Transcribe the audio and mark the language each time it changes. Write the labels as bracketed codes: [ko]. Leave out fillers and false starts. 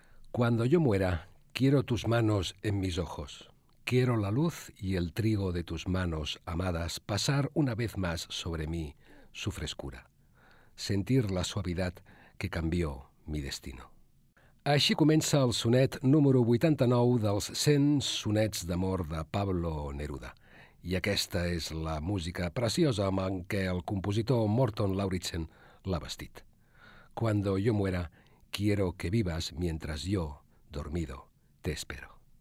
[es] Cuando yo muera, quiero tus manos en mis ojos. Quiero la luz y el trigo de tus manos amadas pasar una vez más sobre mí su frescura. Sentir la suavidad que cambió mi destino. [ca] Així comença el sonet número 89 dels 100 sonets d'amor de Pablo Neruda. I aquesta és la música preciosa amb què el compositor Morten Lauritsen l'ha vestit. [es] Cuando yo muera, quiero que vivas mientras yo, dormido, te espero.